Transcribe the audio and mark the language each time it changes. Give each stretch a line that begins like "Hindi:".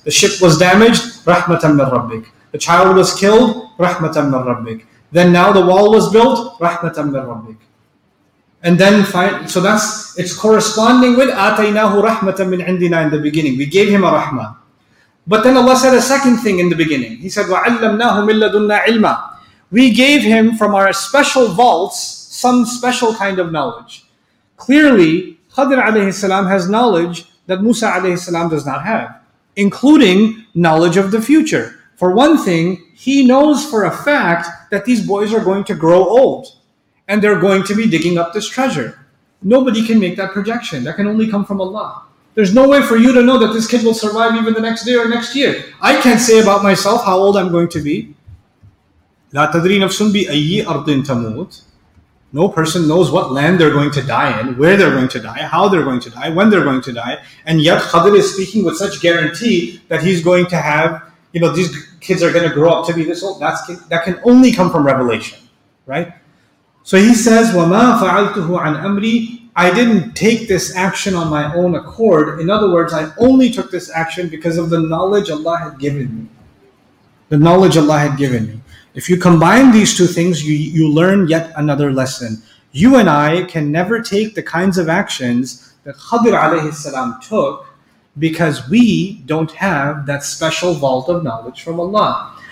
English: The ship was damaged,
Arabic: rahmatan min rabbik.
English: The child was killed, rahmatan min rabbik. Then now the wall was built,
Arabic: rahmatan min rabbik.
English: And then, so that's, it's corresponding with
Arabic: أَتَيْنَاهُ رَحْمَةً مِنْ عِنْدِنَا
English: in the beginning. We gave him a rahmah. But then Allah said a second thing in the beginning. He said,
Arabic: وَعَلَّمْنَاهُ مِنْ لَدُنَّا عِلْمًا.
English: We gave him from our special vaults some special kind of knowledge. Clearly, Khadr alayhi salam has knowledge that Musa alayhi salam does not have, including knowledge of the future. For one thing, he knows for a fact that these boys are going to grow old. And they're going to be digging up this treasure. Nobody can make that projection. That can only come from Allah. There's no way for you to know that this kid will survive even the next day or next year. I can't say about myself how old I'm going to be.
Arabic: لا تدري نفسٌ بأي أرضٍ تموت.
English: No person knows what land they're going to die in, where they're going to die, how they're going to die, when they're going to die. And yet Khadr is speaking with such guarantee that he's going to have, you know, these kids are going to grow up to be this old. That can only come from revelation, right? So he says,
Arabic: وَمَا فَعَلْتُهُ عَنْ أَمْرِي.
English: I didn't take this action on my own accord. In other words, I only took this action because of the knowledge Allah had given me. The knowledge Allah had given me. If you combine these two things, you learn yet another lesson. You and I can never take the kinds of actions that Khadr alayhi salam took because we don't have that special vault of knowledge from Allah.